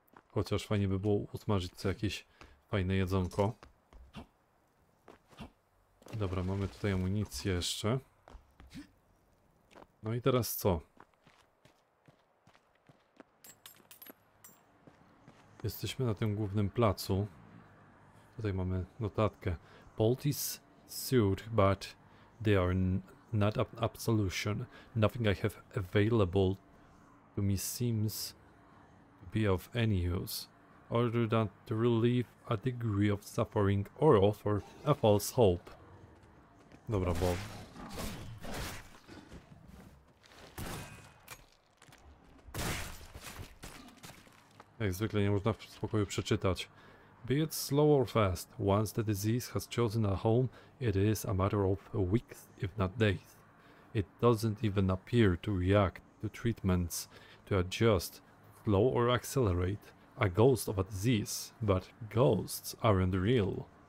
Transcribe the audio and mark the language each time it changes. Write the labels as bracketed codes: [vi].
[pl] Chociaż fajnie by było usmażyć co jakieś fajne jedzonko. Dobra, mamy tutaj amunicję jeszcze. No i teraz co? Jesteśmy na tym głównym placu. Tutaj mamy notatkę. [en] Polties sued, but they are not an absolution. Nothing I have available to me seems to be of any use. Other than to relieve a degree of suffering or offer a false hope. [pl] Dobra, bo... Jak zwykle nie można w spokoju przeczytać. [en] Be it slow or fast, once the disease has chosen a home, it is a matter of weeks, if not days. It doesn't even appear to react to treatments, to adjust, slow or accelerate. A ghost of a disease, but ghosts aren't real.